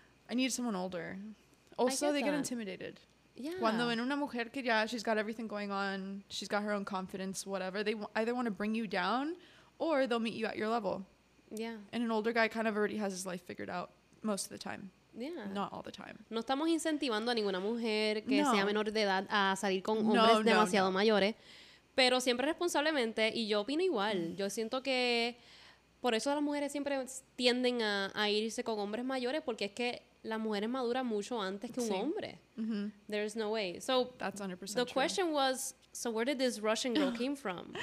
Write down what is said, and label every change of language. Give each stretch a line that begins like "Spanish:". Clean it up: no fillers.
English: I need someone older. Also, they get intimidated. Yeah.
Spanish: Cuando en una mujer que ya,
English: she's got everything going on, she's got her own confidence, whatever, they either want to bring you down or they'll meet you at your level. Yeah. And an older guy kind of already has his life figured out most of the time. Yeah. Not all the time.
Spanish: No estamos incentivando a ninguna mujer que sea menor de edad a salir con hombres demasiado mayores, pero siempre responsablemente, y yo opino igual. Yo siento que por eso las mujeres siempre tienden a irse con hombres mayores, porque es que las mujeres maduran mucho antes que un hombre. Mm-hmm.
English: There's no way. So that's 100% true. The question was, so where did this Russian girl came from?